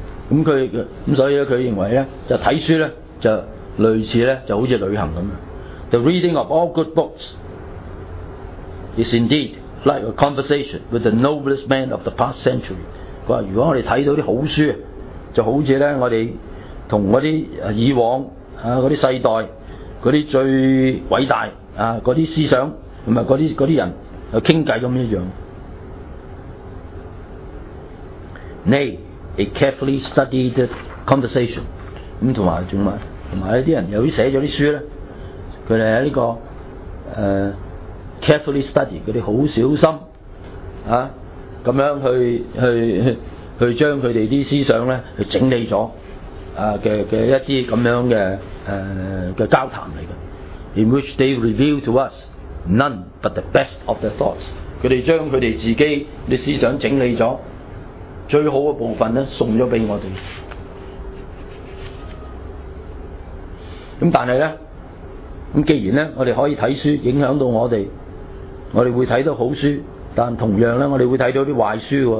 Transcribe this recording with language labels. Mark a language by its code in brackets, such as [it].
[yue] 咁佢咁所以咧，佢認為咧就睇書咧就類似咧就好似旅行咁。 [en] The reading of all good books is indeed like a conversation with the noblest man of the past century。 [yue] 佢話如果我哋睇到啲好書，就好似咧我哋同嗰啲以往啊嗰啲世代嗰啲最偉大啊嗰啲思想同埋嗰啲人去傾偈咁一樣。 [en] Nay, a carefully studied conversation。 [yue] 咁同埋啲人有啲寫咗啲書咧，佢哋喺呢個 [en] carefully study [yue] 嗰啲好小心啊咁樣去將佢哋啲思想咧去整理咗。一啲咁樣嘅交談嚟嘅 [en] ，in which they reveal to us none but the best of their thoughts。 [yue] 佢哋將佢哋自己啲思想整理咗，最好嘅部分咧送咗俾我哋。咁但係咧，咁既然咧我哋可以睇書影響到我哋，我哋會睇到好書，但同樣咧我哋會睇到啲壞書喎。